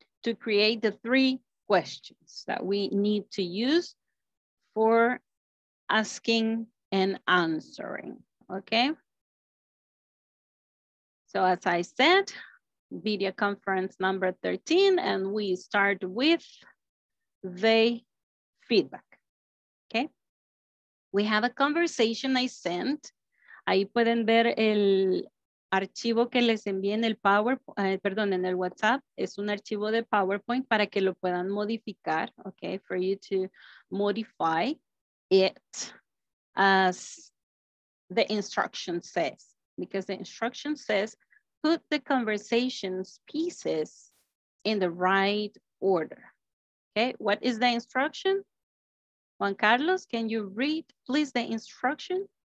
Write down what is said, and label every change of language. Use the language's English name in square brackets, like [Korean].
[English] To create the 3 questions that we need to use for asking and answering, okay? So as I said, video conference number 13, and we start with the feedback, okay? We have a conversation I sent. [Spanish] Ahí pueden ver el archivo que les envié en el PowerPoint, perdón, en el WhatsApp. Es un archivo de PowerPoint para que lo puedan modificar, okay? [English] For you to modify it as the instruction says, because the instruction says put the conversation's pieces in the right order. Okay, what is the instruction? Juan Carlos, can you read please the instruction?